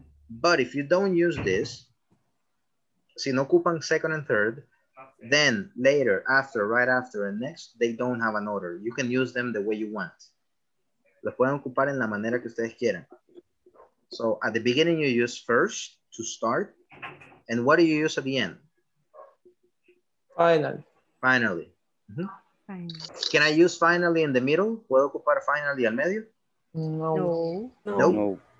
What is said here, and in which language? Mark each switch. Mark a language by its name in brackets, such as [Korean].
[English] But if you don't use this, [Spanish] si no ocupan [English] second and third, then later, after, right after, and next, they don't have an order. You can use them the way you want. [Spanish] Los pueden ocupar en la manera que ustedes quieran. [English] So at the beginning, you use first to start. And what do you use at the end? Finally. Mm-hmm. Can I use finally in the middle? [Spanish] ¿Puedo ocupar finally al medio? [English] No.